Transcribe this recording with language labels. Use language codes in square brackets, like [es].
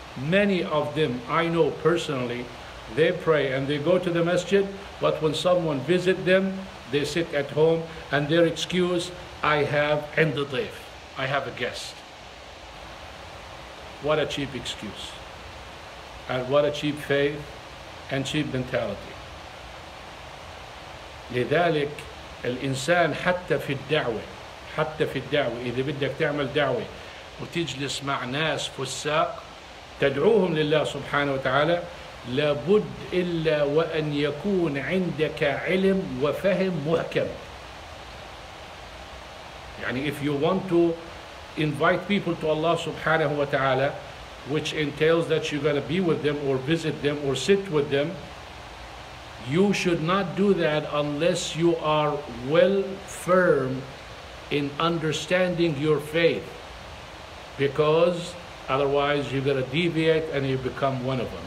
[en] Many of them I know personally, they pray and they go to the masjid, but when someone visits them, they sit at home, and their excuse, I have indidif, I have a guest. What a cheap excuse, and what a cheap faith and cheap mentality. [ar] لذلك الإنسان حتى في الدعوة إذا بدك تعمل دعوة وتجلس مع ناس فساق تدعوهم لله سبحانه وتعالى لابد إلا وأن يكون عندك علم وفهم محكم. يعني [en] if you want to invite people to Allah subhanahu wa ta'ala, which entails that you're going to be with them or visit them or sit with them, you should not do that unless you are well firm in understanding your faith, because otherwise you're going to deviate and you become one of them.